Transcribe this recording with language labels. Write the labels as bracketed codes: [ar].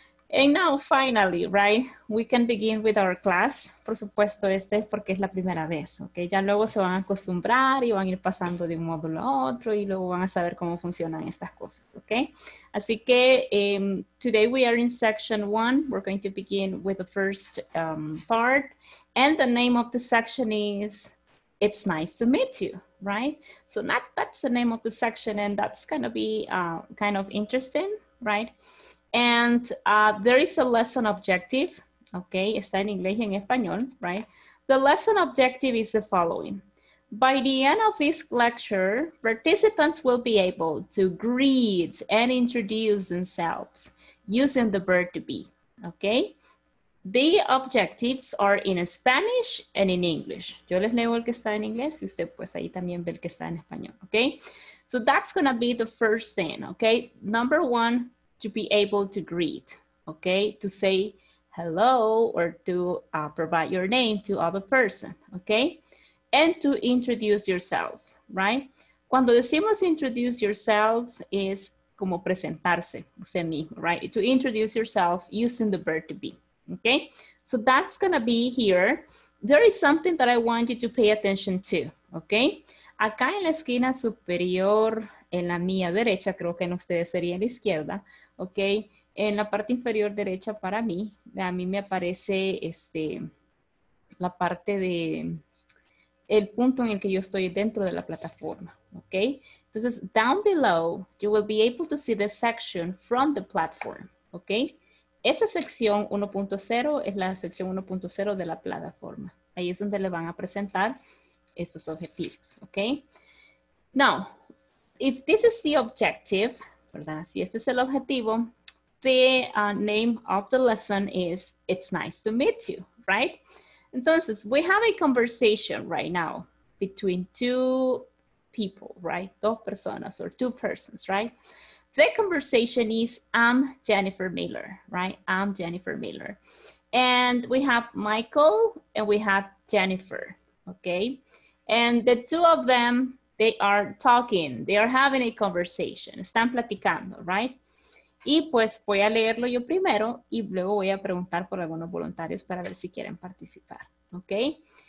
[en] And now finally, right, we can begin with our class. [es] Por supuesto, este es porque es la primera vez, ¿ok? Ya luego se van a acostumbrar y van a ir pasando de un módulo a otro y luego van a saber cómo funcionan estas cosas, ¿ok? Así que [en] today we are in section one. We're going to begin with the first part. And the name of the section is It's Nice to Meet You, right? So that's the name of the section and that's going to be kind of interesting, right? And there is a lesson objective, okay? [es] Está en inglés y en español, [en] right? The lesson objective is the following. By the end of this lecture, participants will be able to greet and introduce themselves using the verb to be, okay? The objectives are in Spanish and in English. [es] Yo les leo el que está en inglés y usted pues ahí también ve el que está en español, okay? [en] So that's gonna be the first thing, okay? Number one, to be able to greet, okay? To say hello or to provide your name to other person, okay? And to introduce yourself, right? [es] Cuando decimos [en] introduce yourself [es] es como presentarse, usted mismo, [en] right? To introduce yourself using the verb to be, okay? So that's gonna be here. There is something that I want you to pay attention to, okay? [es] Acá en la esquina superior, en la mía derecha, creo que en ustedes sería la izquierda, okay? En la parte inferior derecha para mí, a mí me aparece este, la parte de... el punto en el que yo estoy dentro de la plataforma, okay? [en] Entonces, down below, you will be able to see the section from the platform, okay? [es] Esa sección 1.0 es la sección 1.0 de la plataforma. Ahí es donde le van a presentar estos objetivos, okay? [en] Now, if this is the objective, ¿verdad? [es] Si este es el objetivo, [en] the name of the lesson is, it's nice to meet you, right? Entonces, we have a conversation right now between two people, right? [es] Dos personas [en] or two persons, right? The conversation is, I'm Jennifer Miller, right? I'm Jennifer Miller. And we have Michael and we have Jennifer, okay? And the two of them, they are talking. They are having a conversation. [es] Están platicando, [en] right? [es] Y pues voy a leerlo yo primero y luego voy a preguntar por algunos voluntarios para ver si quieren participar, okay?